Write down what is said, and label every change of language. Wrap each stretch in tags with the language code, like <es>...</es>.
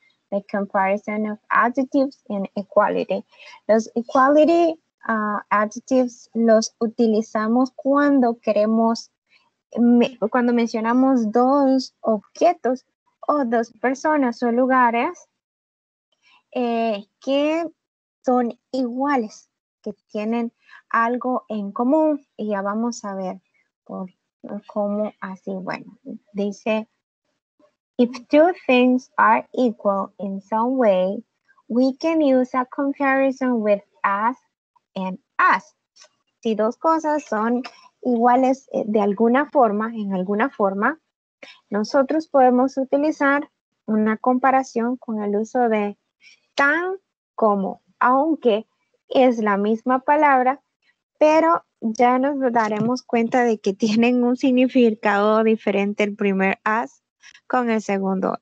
<en>The comparison of adjectives and equality.</en> <es>Los equality adjectives los utilizamos cuando queremos, cuando mencionamos dos objetos o dos personas o lugares que son iguales, que tienen algo en común. Y ya vamos a ver por cómo así. Bueno, dice:</es> <en>if two things are equal in some way, we can use a comparison with as and as.</en> <es>Si dos cosas son iguales de alguna forma, en alguna forma, nosotros podemos utilizar una comparación con el uso de tan como, aunque es la misma palabra, pero ya nos daremos cuenta de que tienen un significado diferente el primer as con el segundo.</es>